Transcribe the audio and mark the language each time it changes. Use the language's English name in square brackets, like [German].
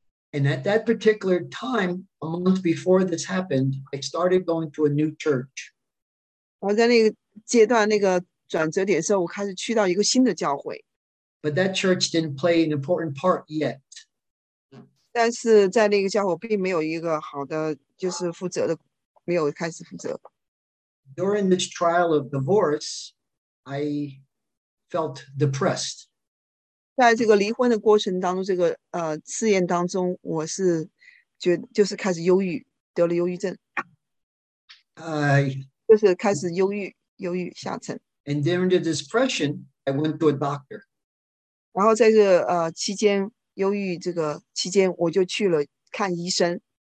[English] And at that particular time, a month before this happened, I started going to a new church. [Chinese] 我在那个阶段那个转折点的时候，我开始去到一个新的教会。 [English] But that church didn't play an important part yet. [Chinese] 但是在那个教会并没有一个好的，就是负责的，没有开始负责。 [English] During this trial of divorce, I felt depressed. [Chinese] 在这个离婚的过程当中，这个试验当中，我是觉得就是开始忧郁，得了忧郁症。 [English] And during the depression, I went to a doctor. [Chinese] 然后在这个期间，忧郁这个期间，我就去了看医生。